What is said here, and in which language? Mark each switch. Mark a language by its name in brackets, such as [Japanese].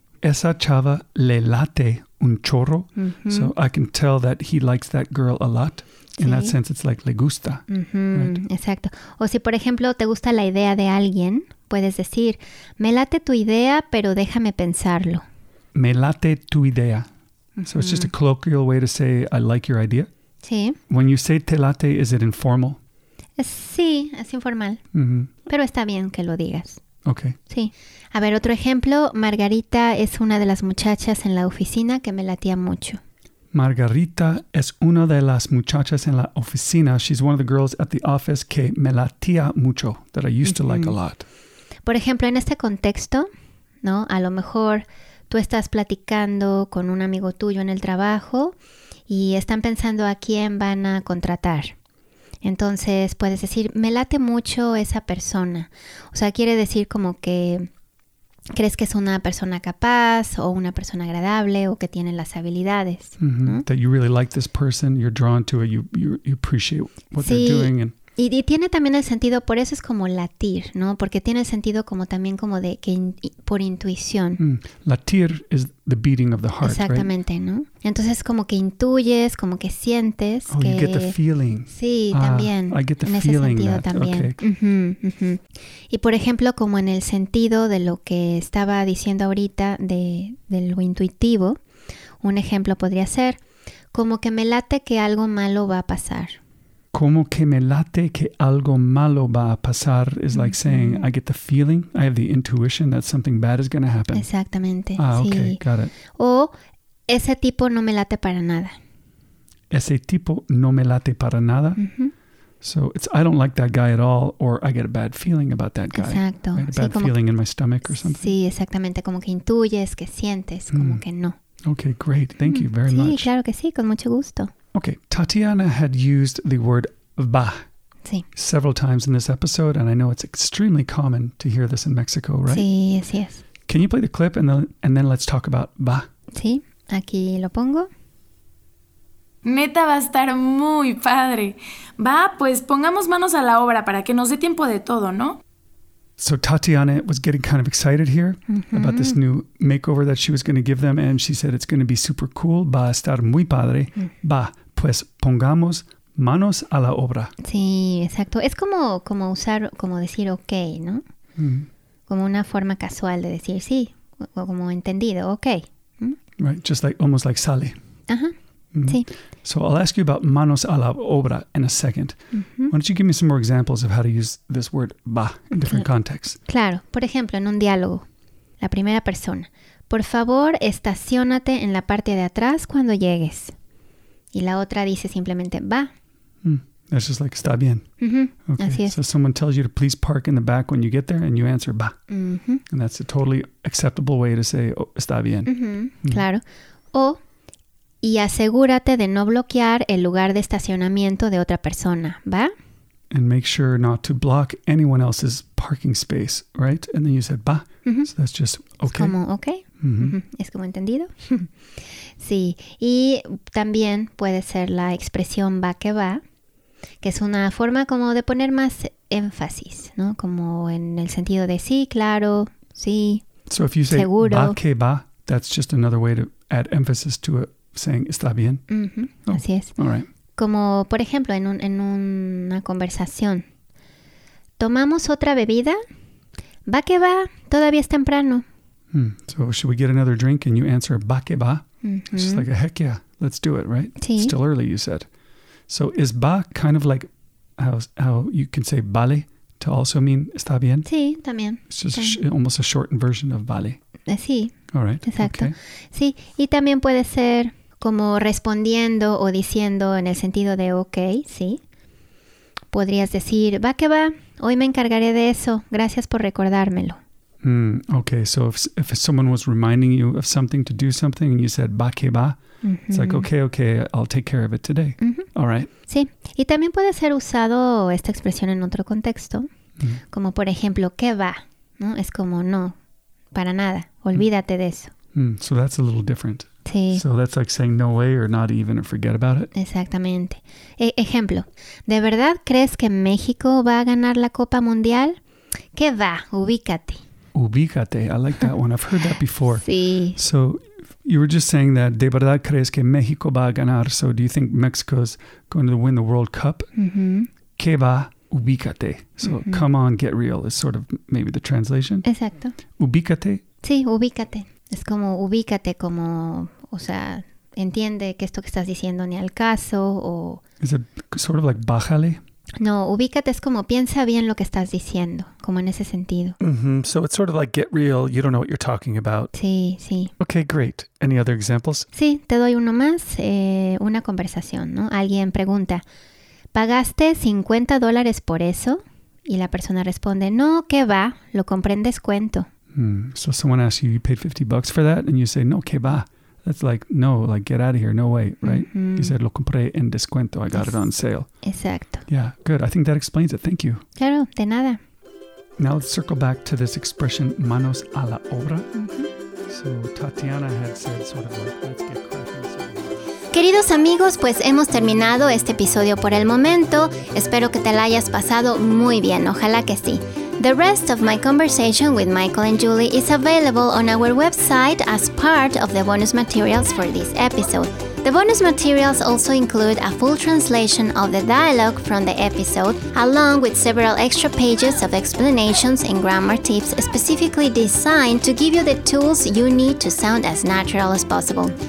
[Spanish] Esa chava le late un chorro. Mm-hmm. [English] So I can tell that he likes that girl a lot. In [Spanish] sí. [English] that sense, it's like [Spanish] le gusta. [English] Mm-hmm. Right? [Spanish] Exacto. O si, por ejemplo, te gusta la idea de alguien, puedes decir, me late tu idea, pero déjame pensarlo. Me late tu idea. Mm-hmm. [English] So it's just a colloquial way to say, I like your idea. [Spanish] Sí. [English] When you say [Spanish] te late, [English] is it informal? [Spanish] Sí, es informal. Mm-hmm. Pero está bien que lo digas. [English] Okay. [Spanish] Sí. A ver, otro ejemplo. Margarita es una de las muchachas en la oficina que me latía mucho. Margarita es una de las muchachas en la oficina. [English] She's one of the girls at the office [Spanish] que me latía mucho, [English] that I used mm-hmm. to like a lot. [Spanish] Por ejemplo, en este contexto, ¿no? A lo mejor tú estás platicando con un amigo tuyo en el trabajo y están pensando a quién van a contratar. Entonces puedes decir, me late mucho esa persona. O sea, quiere decir como que crees que es una persona capaz o una persona agradable o que tiene las habilidades. Mm-hmm. ¿No? [English] That you really like this person, you're drawn to it, you appreciate what [Spanish] sí. [English] they're doing. [Spanish] Y tiene también el sentido, por eso es como latir, ¿no? Porque tiene el sentido como también como de que por intuición. [English] Mm. Latir is the beating of the heart. [Spanish] Exactamente, [English] right? [Spanish] ¿No? Entonces como que intuyes, como que sientes. [English] Oh, [Spanish] que, [English] you get the feeling. [Spanish] Sí, también. [English] I get the [Spanish] en [English] feeling [Spanish] ese sentido [English] that. [Spanish] También. [English] Okay. Uh-huh, uh-huh. [Spanish] Y por ejemplo, como en el sentido de lo que estaba diciendo ahorita de lo intuitivo, un ejemplo podría ser como que me late que algo malo va a pasar. Como que me late que algo malo va a pasar [English] is like saying, I get the feeling, I have the intuition that something bad is going to happen. [Spanish] Exactamente. Ah, sí. [English] Okay, got it. [Spanish] O ese tipo no me late para nada. Ese tipo no me late para nada. Mm-hmm. [English] So it's, I don't like that guy at all, or I get a bad feeling about that guy. [Spanish] Exacto. [English] I get a bad feeling in my stomach or something. [Spanish] Sí, exactamente. Como que intuyes, que sientes, como que no. [English] Okay, great. Thank you very much. [Spanish] Sí, claro que sí, con mucho gusto. [English] Okay, Tatiana had used the word va [Spanish] sí. [English] several times in this episode, and I know it's extremely common to hear this in Mexico, right? [Spanish] Sí, así es. [English] Can you play the clip and then let's talk about va? [Spanish] Sí, aquí lo pongo. Neta, va a estar muy padre. Va, pues pongamos manos a la obra para que nos dé tiempo de todo, ¿no? [English] So Tatiana was getting kind of excited here mm-hmm. about this new makeover that she was going to give them. And she said, it's going to be super cool. [Spanish] Va a estar muy padre. Mm-hmm. Va, pues pongamos manos a la obra. Sí, exacto. Es como usar, como decir ok, ¿no? Mm-hmm. Como una forma casual de decir sí, o como entendido, ok. [English] Mm-hmm. Right, just like, almost like sale. [Spanish] Ajá, mm-hmm. sí. [English] So I'll ask you about [Spanish] manos a la obra [English] in a second. Mm-hmm. Why don't you give me some more examples of how to use this word va in different contexts? [Spanish] Claro. Por ejemplo, en un diálogo, la primera persona. Por favor, estaciónate en la parte de atrás cuando llegues. Y la otra dice simplemente va. [English] Mm. That's just like, [Spanish] está bien. Mm-hmm. [English] Okay. [Spanish] Así es. [English] So someone tells you to please park in the back when you get there and you answer va. Mm-hmm. And that's a totally acceptable way to say, oh, [Spanish] está bien. Mm-hmm. Mm-hmm. Claro. O... Y asegúrate de no bloquear el lugar de estacionamiento de otra persona, ¿va? [English] And make sure not to block anyone else's parking space, right? And then you said, va. Mm-hmm. So that's just okay. [Spanish] Es como, okay. Mm-hmm. Es como entendido. Sí. Y también puede ser la expresión va que va, que es una forma como de poner más énfasis, ¿no? Como en el sentido de sí, claro, sí, [English] so if you say, [Spanish] seguro. Va que va, [English] that's just another way to add emphasis to it. Saying, [Spanish] ¿está bien? Mm-hmm. Oh, así es. [English] All right. [Spanish] Como, por ejemplo, en una conversación. ¿Tomamos otra bebida? Va que va, todavía es temprano. [English] Mm. So, should we get another drink? And you answer, [Spanish] va que va. Mm-hmm. [English] It's just like, a heck yeah, let's do it, right? [Spanish] Sí. [English] Still early, you said. So, is va kind of like how you can say vale to also mean, [Spanish] ¿está bien? Sí, también. [English] It's just almost a shortened version of vale. [Spanish] Sí. [English] All right. [Spanish] Exacto. [English] Okay. [Spanish] Sí, y también puede ser como respondiendo o diciendo en el sentido de ok, sí. Podrías decir, va que va, hoy me encargaré de eso, gracias por recordármelo. [English] Mm, okay, so if someone was reminding you of something to do something and you said [Spanish] va que va, mm-hmm. [English] it's like, okay, I'll take care of it today. Mm-hmm. All right. [Spanish] Sí, y también puede ser usado esta expresión en otro contexto, mm-hmm. como por ejemplo, ¿qué va? ¿No? Es como no. Para nada. Olvídate de eso. [English] Mm, so that's a little different. [Spanish] Sí. [English] So that's like saying no way or not even or forget about it. [Spanish] Exactamente. Ejemplo. ¿De verdad crees que México va a ganar la Copa Mundial? ¿Qué va? Ubícate. Ubícate. [English] I like that one. I've heard that before. [Spanish] Sí. [English] So you were just saying that [Spanish] ¿De verdad crees que México va a ganar? [English] So do you think Mexico is going to win the World Cup? Mm-hmm. [Spanish] ¿Qué va? Ubícate. So, mm-hmm. [English] come on, get real is sort of maybe the translation. [Spanish] Exacto. Ubícate. Sí, ubícate. Es como ubícate, como, o sea, entiende que esto que estás diciendo ni al caso o... [English] Is it sort of like bájale? [Spanish] No, ubícate es como piensa bien lo que estás diciendo, como en ese sentido. Mm-hmm. [English] So, it's sort of like get real, you don't know what you're talking about. [Spanish] Sí, sí. [English] Okay, great. Any other examples? [Spanish] Sí, te doy uno más. Una conversación, ¿no? Alguien pregunta... ¿Pagaste $50 por eso? Y la persona responde, no, ¿qué va? Lo compré en descuento. [English] So someone asks you, you paid 50 bucks for that? And you say, no, [Spanish] ¿qué va? [English] That's like, no, like, get out of here. No way, right? Mm-hmm. You said, [Spanish] lo compré en descuento. [English] I got it on sale. [Spanish] Exacto. [English] Yeah, good. I think that explains it. Thank you. [Spanish] Claro, de nada. [English] Now let's circle back to this expression, [Spanish] manos a la obra. [English] So Tatiana had said sort of like, let's get cracking. [Spanish] Queridos amigos, pues hemos terminado este episodio por el momento. Espero que te la hayas pasado muy bien. Ojalá que sí. [English] The rest of my conversation with Michael and Julie is available on our website as part of the bonus materials for this episode. The bonus materials also include a full translation of the dialogue from the episode, along with several extra pages of explanations and grammar tips specifically designed to give you the tools you need to sound as natural as possible.